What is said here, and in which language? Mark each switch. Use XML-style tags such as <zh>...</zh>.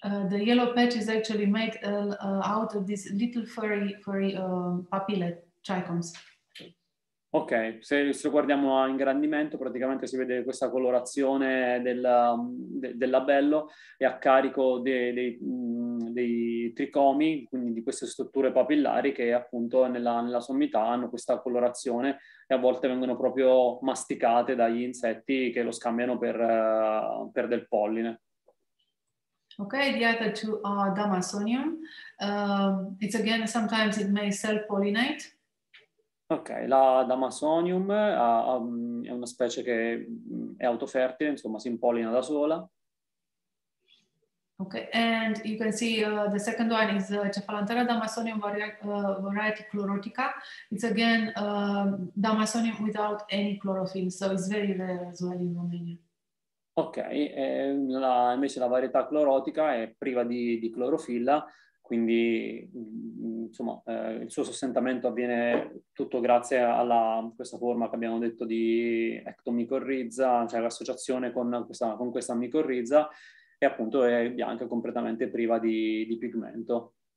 <en>The yellow patch is actually made out of these little furry papillae trichomes.</en> <it>Ok, se lo guardiamo a ingrandimento, praticamente si vede questa colorazione del labello, e a carico dei tricomi, quindi di queste strutture papillari che appunto nella sommità hanno questa colorazione, e a volte vengono proprio masticate dagli insetti che lo scambiano per del polline.</it> <en>Ok, the other two are Damasonium. It's again, sometimes it may self-pollinate.</en> <it>Ok, la Damasonium è una specie che è autofertile, insomma, si impollina da sola.</it> <en>Ok, and you can see the second one is Cephalanthera Damasonium variety chlorotica. It's again Damasonium without any chlorophyll, so it's very rare as well in Romania.</en> <it>Ok, invece la varietà clorotica è priva di clorofilla, quindi insomma il suo sostentamento avviene tutto grazie alla questa forma che abbiamo detto di ectomicorrizza, cioè l'associazione con questa micorrizza, e appunto è bianca, completamente priva di pigmento.</it>